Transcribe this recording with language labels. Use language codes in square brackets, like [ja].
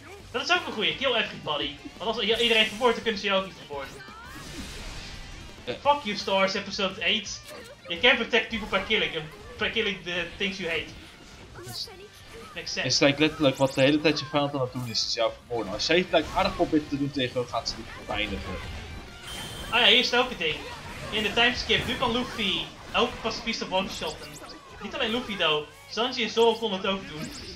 [nl] Dat is ook een goeie, [en] kill everybody. [nl] Want als iedereen vermoord, dan kunnen ze jou ook niet vermoorden. [en] Yeah. Fuck you, Stars, episode 8. You can't protect people by killing them. By killing the things you hate. Makes sense. [nl] Het is like, letterlijk wat de hele tijd je vijand aan het doen is, is jou vermoorden. Als jij het lijkt aardig op te doen tegen hem, gaat ze niet verpijnigen. Ah ja, hier is het ook een ding. In de timeskip, nu kan Luffy elke pacifiste one-shotten. Niet alleen Luffy, though. Sanji en Zoro konden het ook doen.